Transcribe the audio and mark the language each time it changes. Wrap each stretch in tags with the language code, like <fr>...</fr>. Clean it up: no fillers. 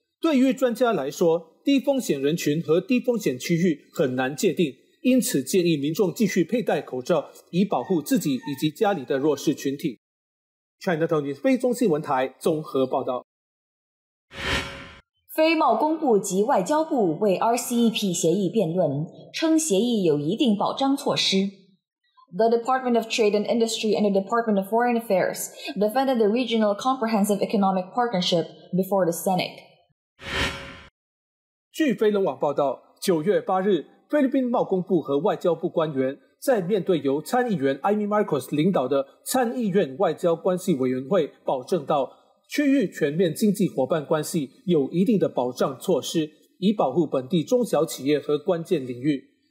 <zh>对于专家来说，低风险人群和低风险区域很难界定，因此建议民众继续佩戴口罩，以保护自己以及家里的弱势群体。 Cntv 菲中新闻台综合报道。非贸工部及外交部为 RCEP 协议辩论，称协议有一定保障措施。</zh> <en>The Department of Trade and Industry and the Department of Foreign Affairs defended the Regional Comprehensive Economic Partnership before the Senate.</en> <zh>据飞龙网报道，9月8日，菲律宾贸工部和外交部官员在面对由参议员 Amy Marcos 领导的参议院外交关系委员会保证到，区域全面经济伙伴关系有一定的保障措施，以保护本地中小企业和关键领域。</zh>